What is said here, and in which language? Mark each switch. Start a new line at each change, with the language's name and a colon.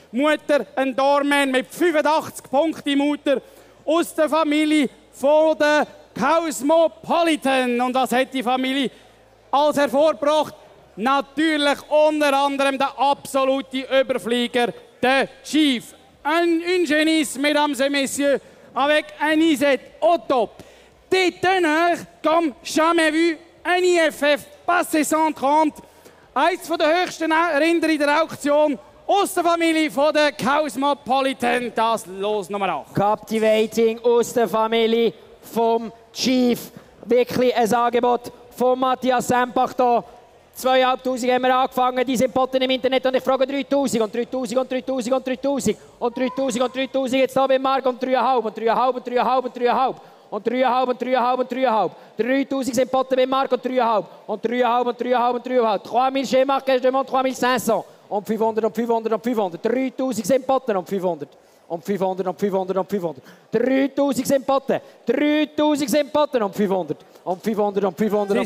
German: Mutter, ein Doorman mit 85 Punkten im Uter aus der Familie von der Cosmopolitan. Und was hat die Familie als hervorgebracht? Natürlich unter anderem der absolute Überflieger, der Chief.
French: Un Genis, mesdames et messieurs, avec un IZ au top. Détenant, comme jamais vu, un IFF passé 130.
German: Eins von den höchsten Rinder in der Auktion aus der Familie von der Cosmopolitan. Das Los Nummer 8. Captivating aus der Familie vom Chief. Wirklich ein Angebot von Matthias Sempach hier. 2'500 haben wir angefangen, die sind Potten im Internet und ich frage 3'000 jetzt hier bei Marc und 3'500 sind Potten bei Marc und 3'500 3'000 Schema, gehst du mal 3'500 und 500 3'000 sind Potten und 500 und 500 und 500 und 500 3'000 sind Potten und 500 Um 500, um 500,